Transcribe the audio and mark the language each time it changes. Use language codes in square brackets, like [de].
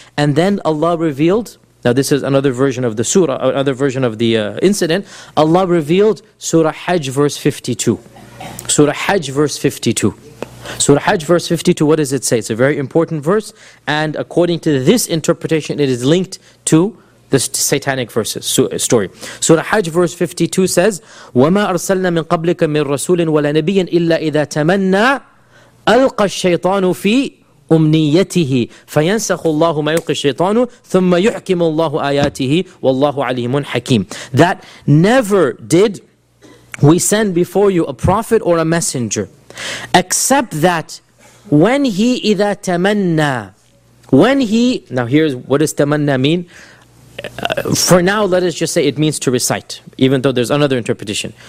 [en] And then Allah revealed, now this is another version of the surah, another version of the incident, Allah revealed Surah Hajj verse 52. Surah Hajj verse 52. Surah Hajj verse 52, what does it say? It's a very important verse. And according to this interpretation, it is linked to the satanic verses story. Surah Hajj verse 52 says, [ar] وَمَا أَرْسَلْنَا مِنْ قَبْلِكَ مِنْ رَسُولٍ وَلَا نَبِيٍ إِلَّا إِذَا تَمَنَّى أَلْقَى الشَّيْطَانُ فِي أُمْنِيَّتِهِ فَيَنْسَخُ اللَّهُ مَا يُلْقِي الشَّيْطَانُ ثُمَّ يُحْكِمُ اللَّهُ آيَاتِهِ وَاللَّهُ عَلِيمٌ حَكِيمٌ. [en] That never did we send before you a prophet or a messenger, except that when he [ar] إِذَا تَمَنَّى, [en] when he, now here's what does tamanna mean? For now, let us just say it means to recite, even though there's another interpretation.